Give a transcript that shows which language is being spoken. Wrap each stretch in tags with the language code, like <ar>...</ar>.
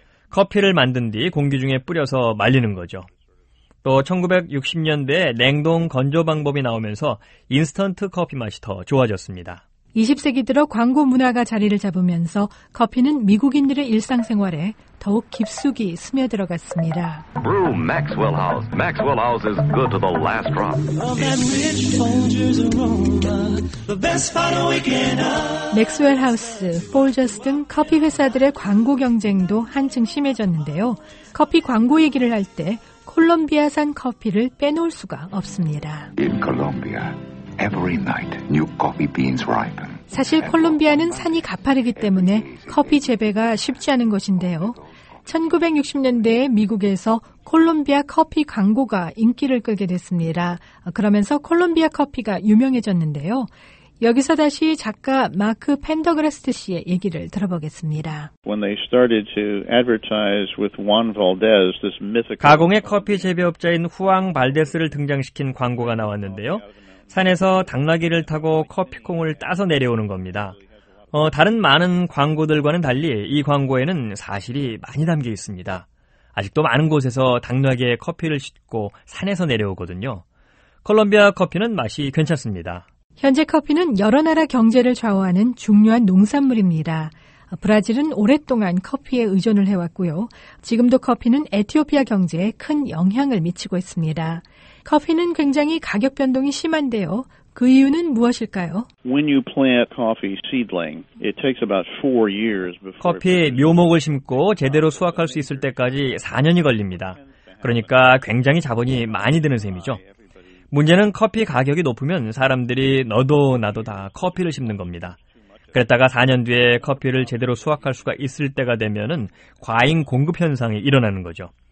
<ko>커피를 만든 뒤 공기 중에 뿌려서 말리는 거죠. 또 1960년대에 냉동 건조 방법이 나오면서 인스턴트 커피 맛이 더 좋아졌습니다. 20세기 들어 광고 문화가 자리를 잡으면서 커피는 미국인들의 일상생활에 더욱 깊숙이 스며들어갔습니다.</ko> <en>Brew Maxwell House. Maxwell House is good to the last drop.</en> <ko>Maxwell House, Folgers 등 커피 회사들의 광고 경쟁도 한층 심해졌는데요. 커피 광고 얘기를 할 때 콜롬비아산 커피를 빼놓을 수가 없습니다.</ko> <en>In Colombia, every night, new coffee beans ripen.</en> <ko>사실 콜롬비아는 산이 가파르기 때문에 커피 재배가 쉽지 않은 것인데요. 1960년대에 미국에서 콜롬비아 커피 광고가 인기를 끌게 됐습니다. 그러면서 콜롬비아 커피가 유명해졌는데요. 여기서 다시 작가 마크 펜더그라스트 씨의 얘기를 들어보겠습니다.</ko> <en>When they started to advertise with Juan Valdez, this mythical</en> <ko>가공의 커피 재배업자인 후앙 발데스를 등장시킨 광고가 나왔는데요. 산에서 당나귀를 타고 커피콩을 따서 내려오는 겁니다. 다른 많은 광고들과는 달리 이 광고에는 사실이 많이 담겨 있습니다. 아직도 많은 곳에서 당나귀에 커피를 싣고 산에서 내려오거든요. 콜롬비아 커피는 맛이 괜찮습니다. 현재 커피는 여러 나라 경제를 좌우하는 중요한 농산물입니다. 브라질은 오랫동안 커피에 의존을 해왔고요. 지금도 커피는 에티오피아 경제에 큰 영향을 미치고 있습니다. 커피는 굉장히 가격 변동이 심한데요. 그 이유는 무엇일까요?</ko> <en>When you plant coffee seedling, it takes about 4 years before</en> <ko>커피의 묘목을 심고 제대로 수확할 수 있을 때까지 4년이 걸립니다. 그러니까 굉장히 자본이 많이 드는 셈이죠. 문제는 커피 가격이 높으면 사람들이 너도 나도 다 커피를 심는 겁니다. 그랬다가 4년 뒤에 커피를 제대로 수확할 수가 있을 때가 되면은 과잉 공급 현상이 일어나는 거죠.</ko>